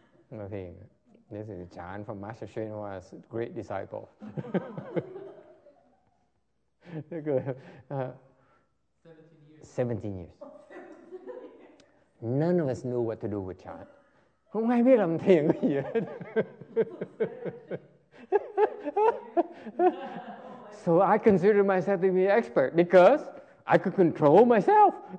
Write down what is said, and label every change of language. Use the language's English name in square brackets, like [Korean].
[English] Nothing. This is chan from Master Srinivas, great disciple. Good. 17 years. None of us knew what to do with chan. [Vietnamese] Không ai biết làm thiền gì hết. [English] So I consider myself to be an expert because I could control myself.